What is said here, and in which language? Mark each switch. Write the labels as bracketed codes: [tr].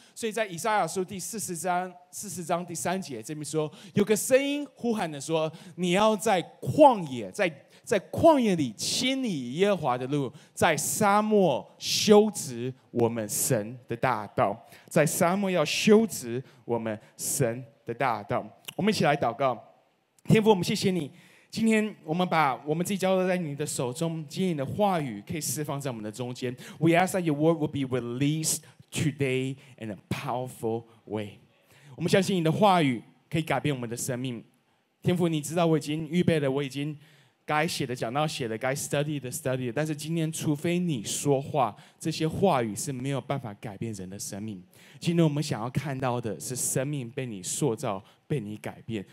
[zh] 所以在以赛亚书第40章第3节这边说，有个声音呼喊的说，你要在旷野，在旷野里清理耶和华的路，在沙漠修直我们神的大道，在沙漠要修直我们神的大道。我们一起来祷告。天父，我们谢谢你，今天我们把我们自己交托在你的手中，今天你的话语可以释放在我们的中间。 [en] We ask that your word will be released today in a powerful way。 [zh] 我们相信你的话语可以改变我们的生命。天父，你知道我已经预备了，我已经该写的讲到写的，该 study 的 study 的，但是今天除非你说话，这些话语是没有办法改变人的生命。今天我们想要看到的是生命被你塑造，被你改变。